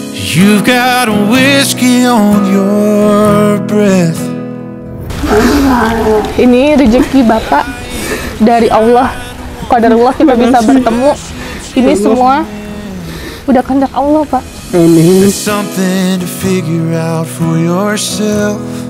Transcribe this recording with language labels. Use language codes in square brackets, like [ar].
[en] You've got a whiskey on your breath. [id] Ini rezeki Bapak dari Allah. Qadarullah kita bisa bertemu. Ini semua udah kehendak Allah, Pak. Amin. [en] Something to figure out for yourself.